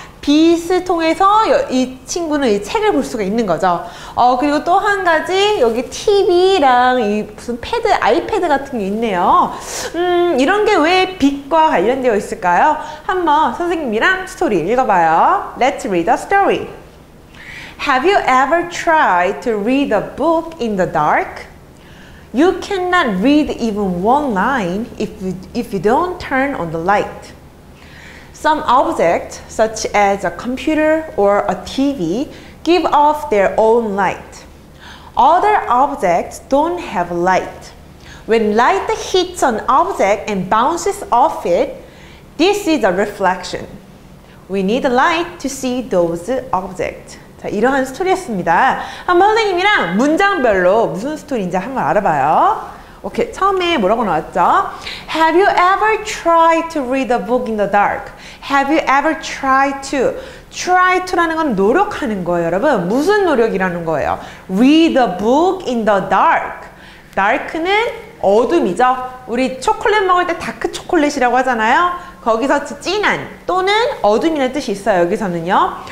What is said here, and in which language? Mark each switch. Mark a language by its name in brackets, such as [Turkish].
[Korean] 빛을 통해서 이 친구는 이 책을 볼 수가 있는 거죠. 그리고 또 한 가지, 여기 TV랑 이 무슨 패드, 아이패드 같은 게 있네요. 이런 게 왜 빛과 관련되어 있을까요? 한번 선생님이랑 스토리 읽어봐요. [English] Let's read a story. Have you ever tried to read a book in the dark? You cannot read even one line if you don't turn on the light. Some objects, such as a computer or a TV, give off their own light. Other objects don't have light. When light hits an object and bounces off it, this is a reflection. We need light to see those objects. [Korean] 자, 이러한 스토리였습니다. 한번 선생님이랑 문장별로 무슨 스토리인지 한번 알아봐요. 오케이, 처음에 뭐라고 나왔죠? [English] Have you ever tried to read a book in the dark? Have you ever tried to? Try to라는 건 [Korean] 노력하는 거예요, 여러분. 무슨 노력이라는 거예요? [English] Read a book in the dark. Dark는 [Korean] 어둠이죠. 우리 초콜릿 먹을 때 다크 초콜릿이라고 하잖아요. 거기서 진한 또는 어둠이라는 뜻이 있어요, 여기서는요.